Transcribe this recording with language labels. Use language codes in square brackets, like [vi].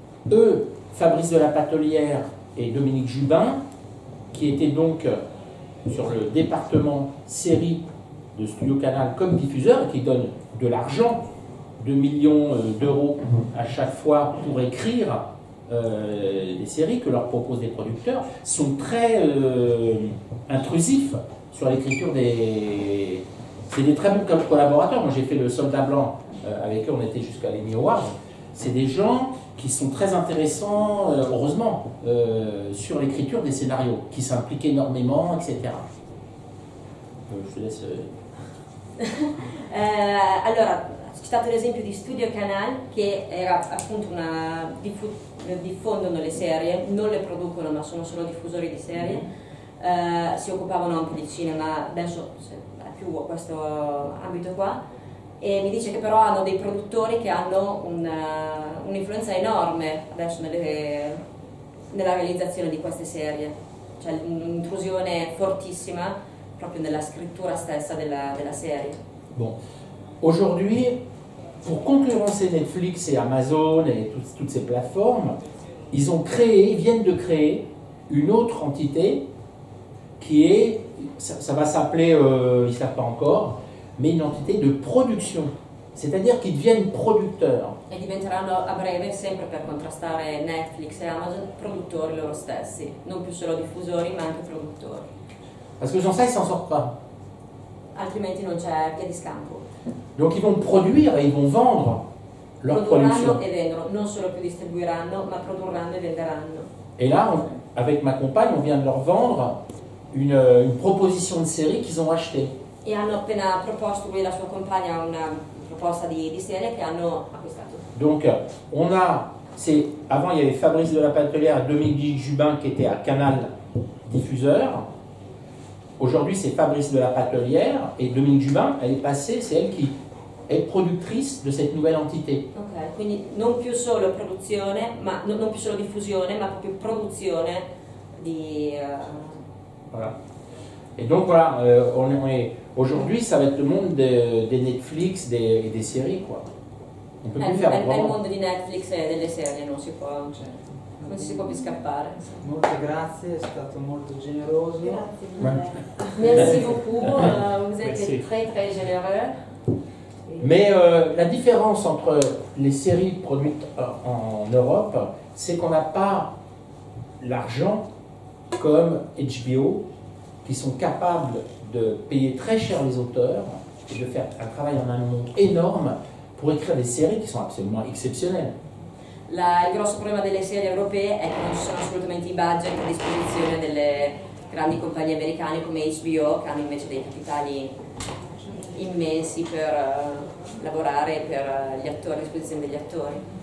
[fr] Eux, Fabrice de la Patellière et Dominique Jubin, qui étaient donc sur le département séries de Studio Canal comme diffuseurs, qui donnent de l'argent, 2 millions d'euros à chaque fois pour écrire les séries que leur proposent des producteurs, sont très intrusifs sur l'écriture des... C'est des très bons collaborateurs. Moi, j'ai fait le Soldat Blanc avec eux, on était jusqu'à l'Emmy Awards. C'est des gens qui sont très intéressants, heureusement, sur l'écriture des scénarios, qui s'impliquent énormément, etc. Je te laisse... [it] Alors, citato l'esempio di Studio Canal, che era appunto una diffondono le serie, non le producono ma sono solo diffusori di serie, si occupavano anche di cinema, adesso è più a questo ambito qua, e mi dice che però hanno dei produttori che hanno un'influenza enorme adesso nella realizzazione di queste serie, cioè un'intrusione fortissima proprio nella scrittura stessa della serie. [fr] Bon, aujourd'hui, pour concurrencer Netflix et Amazon et toutes ces plateformes, ils ont créé, viennent de créer une autre entité qui est, ça va s'appeler, ils ne savent pas encore, mais une entité de production. C'est-à-dire qu'ils deviennent producteurs. [it] Et diventeranno à breve, sempre per contrastare Netflix et Amazon, produttori loro stessi. Non più solo diffusori, ma anche produttori. [fr] Parce que sans ça, ils ne s'en sortent pas. [it] Altrimenti non c'è via di scampo. [fr] Donc ils vont produire et ils vont vendre leur production. [it] E vendono, non solo più distribuiranno, ma produrranno e venderanno. [fr] Et là, avec ma compagne, on vient de leur vendre une proposition de série qu'ils ont achetée. [it] Et hanno appena proposto, lui e la sua compagna, una proposta di serie che hanno acquistato. [fr] Donc, on a, c'est, avant il y avait Fabrice de la Patellière et Dominique Jubin qui étaient à Canal Diffuseur. Aujourd'hui, c'est Fabrice de la Patellière et Dominique Jubin, elle est passée, c'est elle qui est productrice de cette nouvelle entité. [it] Ok, quindi non più solo produzione, ma non più solo diffusione, ma proprio produzione di. [fr] Voilà. Et donc voilà, on est aujourd'hui, ça va être le monde des Netflix et des séries, quoi. On peut plus faire. [it] Il mondo di Netflix e delle serie non si può, cioè. Non si può più scappare. Molte grazie, è stato molto generoso. Grazie. [fr] Merci beaucoup, vous êtes merci. Très très généreux. Mais la différence entre les séries produites en Europe, c'est qu'on n'a pas l'argent comme HBO, qui sont capables de payer très cher les auteurs et de faire un travail en amont énorme pour écrire des séries qui sont absolument exceptionnelles. [it] Il grosso problema delle serie europee è che non ci sono assolutamente i budget a disposizione delle grandi compagnie americane come HBO, che hanno invece dei capitali immensi per lavorare per gli attori, a disposizione degli attori.